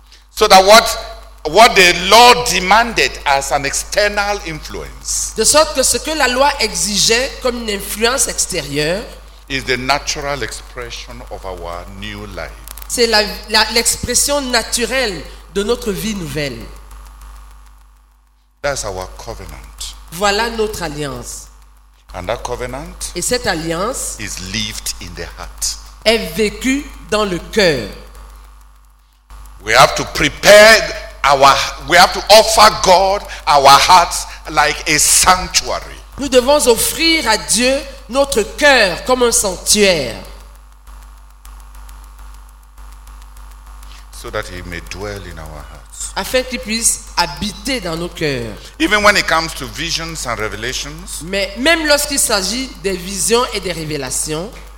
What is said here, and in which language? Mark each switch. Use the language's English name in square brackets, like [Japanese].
[English] So that what the law demanded as an external influence, [French] de sorte que ce que la loi exigeait comme une influence extérieure, [English] is the natural expression of our new life. [French] C'est l'expression naturelle de notre vie nouvelle. [English] That's our covenant. [French] Voilà notre alliance. [English] And that covenant, [French] et cette alliance, [English] is lived in the heart, [French] est vécue dans le cœur. [English] We have to prepare we have to offer God our hearts like a sanctuary. [French] Nous devons offrir à Dieu notre cœur comme un sanctuaire. [English] So that he may dwell in our hearts. [French] Afin qu'il puisse habiter dans nos cœurs. [English] Even when it comes to visions and revelations. [French] Mais même lorsqu'il s'agit des visions et des révélations.